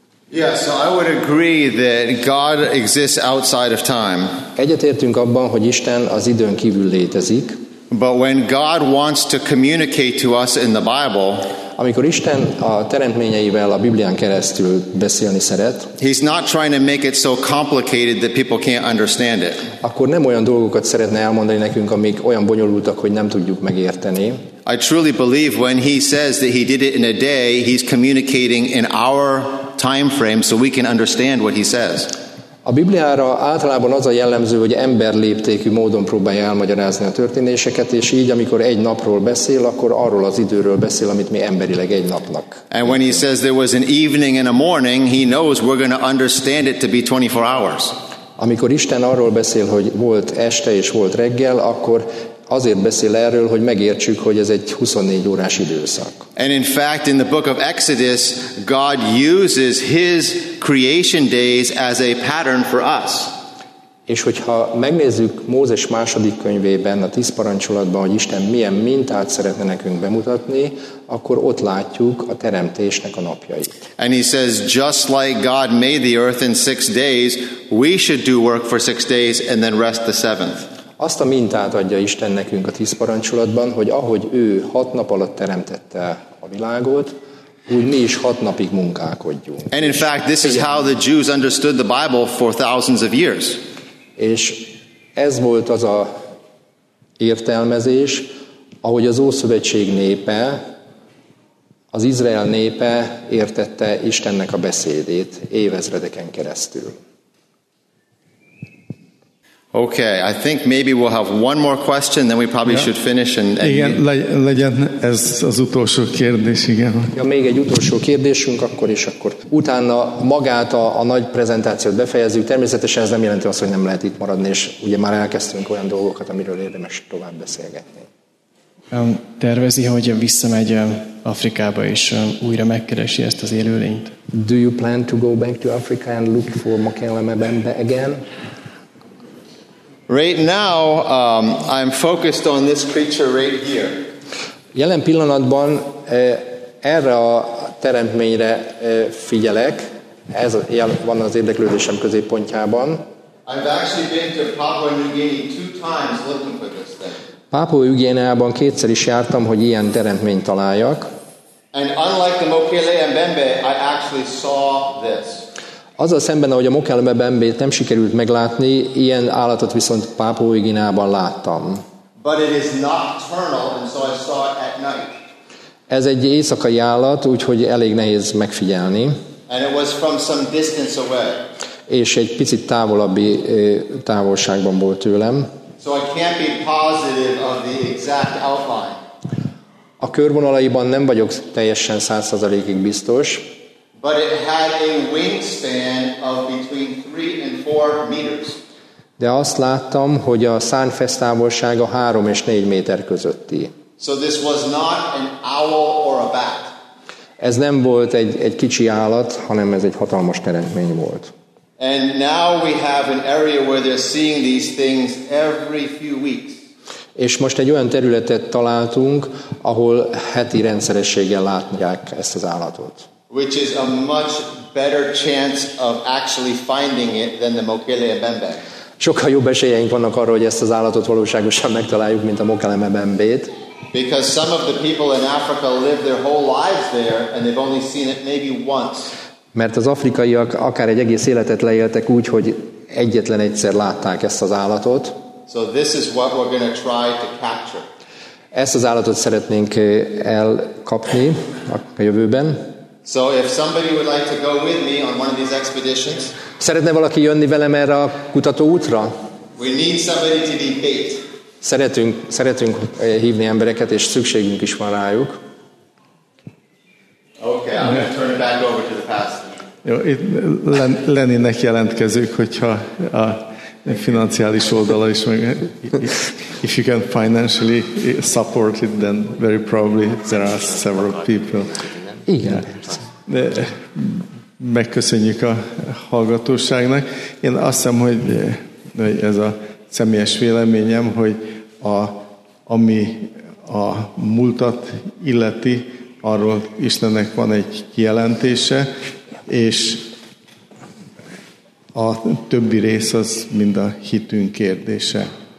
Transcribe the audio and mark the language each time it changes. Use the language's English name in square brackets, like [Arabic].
[English] Yes, I would agree that God exists outside of time. [Hungarian] Egyetértünk abban, hogy Isten az időn kívül létezik. [English] But when God wants to communicate to us in the Bible, [Hungarian] amikor Isten a teremtményeivel a Biblián keresztül beszélni szeret, [English] he's not trying to make it so complicated that people can't understand it. [Hungarian] Akkor nem olyan dolgokat szeretne elmondani nekünk, amik olyan bonyolultak, hogy nem tudjuk megérteni. [English] I truly believe when he says that he did it in a day, he's communicating in our time frame so we can understand what he says. [Hungarian] A Bibliára általában az a jellemző, hogy emberléptékű módon próbálja elmagyarázni a történéseket, és így, amikor egy napról beszél, akkor arról az időről beszél, amit mi emberileg egy napnak. [English] And when he says there was an evening and a morning, he knows we're going to understand it to be 24 hours. [Hungarian] Amikor Isten arról beszél, hogy volt este és volt reggel, akkor azért beszél erről, hogy megértsük, hogy ez egy 24 órás időszak. [English] And in fact, in the book of Exodus, God uses his creation days as a pattern for us. [Hungarian] És hogyha megnézzük Mózes második könyvében, a 10 parancsolatban, hogy Isten milyen mintát szeretne nekünk bemutatni, akkor ott látjuk a teremtésnek a napjait. [English] And he says, just like God made the earth in 6 days, we should do work for 6 days and then rest the seventh. [Hungarian] Azt a mintát adja Isten nekünk a 10 parancsolatban, hogy ahogy ő 6 nap alatt teremtette a világot, úgy mi is 6 napig munkálkodjunk. [English] And in fact, this is how the Jews understood the Bible for thousands of years. [Hungarian] És ez volt az a értelmezés, ahogy az Ószövetség népe, az Izrael népe értette Istennek a beszédét évezredeken keresztül. [English] Okay, I think maybe we'll have one more question, then we probably should finish. [Hungarian] Legyen ez az utolsó kérdés, igen. Ja, még egy utolsó kérdésünk, akkor is akkor. Utána magát a nagy prezentációt befejezzük. Természetesen ez nem jelenti azt, hogy nem lehet itt maradni, és ugye már elkezdtünk olyan dolgokat, amiről érdemes tovább beszélgetni. Tervezi, hogy visszamegy Afrikába, és újra megkeresi ezt az élőlényt? [English] Do you plan to go back to Africa and look for Makela Mbembe again? Right now, I'm focused on this creature right here. [Hungarian] Jelen pillanatban erre a teremtményre figyelek. Ez van az érdeklődésem középpontjában. [English] I've actually been to Papua New Guinea 2 times looking for this thing. [Hungarian] Papua New Guineában kétszer is jártam, hogy ilyen teremtményt találjak. [English] And unlike the Mokele Mbembe, I actually saw this. [Hungarian] Azzal szemben, ahogy a Mokele Mbembét nem sikerült meglátni, ilyen állatot viszont Pápua Új-Guineában láttam. [English] But it is nocturnal, and so I saw it at night. [Hungarian] Ez egy éjszakai állat, úgyhogy elég nehéz megfigyelni. [English] And it was from some distance away. [Hungarian] És egy picit távolabbi távolságban volt tőlem. [English] So I can't be positive of the exact outline. [Hungarian] A körvonalaiban nem vagyok teljesen 100%-ig biztos. [English] But it had a wingspan of between 3 and 4 meters. [Hungarian] De azt láttam, hogy a szárnyfesztávolsága 3 és 4 méter közötti. [English] So this was not an owl or a bat. [Hungarian] Ez nem volt egy kicsi állat, hanem ez egy hatalmas teremtmény volt. [English] And now we have an area where they're seeing these things every few weeks. [Hungarian] És most egy olyan területet találtunk, ahol heti rendszerességgel látják ezt az állatot. [English] Which is a much better chance of actually finding it than the Mokele Mbembe. [Hungarian] Sokkal jobb esélyeink vannak arra, hogy ezt az állatot valóságosan megtaláljuk, mint a Mokele Mbembét. [English] Because some of the people in Africa live their whole lives there, and they've only seen it maybe once. [Hungarian] Mert az afrikaiak akár egy egész életet leéltek úgy, hogy egyetlen egyszer látták ezt az állatot. [English] So this is what we're going to try to capture. [Hungarian] Ezt az állatot szeretnénk elkapni a jövőben. [English] So if somebody would like to go with me on one of these expeditions. [Hungarian] Szeretne valaki jönni velem erre a kutató útra? [English] We need somebody to debate. [Hungarian] Szeretünk hívni embereket, és szükségünk is van rájuk. [English] Okay, I'm going to turn it back over to the pastor. [Hungarian] Jó, itt Leninek jelentkezünk, hogyha a financiális oldala is meg. [English] If you can financially support it, then very probably there are several people. [Hungarian] Igen. De megköszönjük a hallgatóságnak. Én azt hiszem, hogy ez a személyes véleményem, hogy ami a múltat illeti, arról Istennek van egy kijelentése, és a többi rész az mind a hitünk kérdése.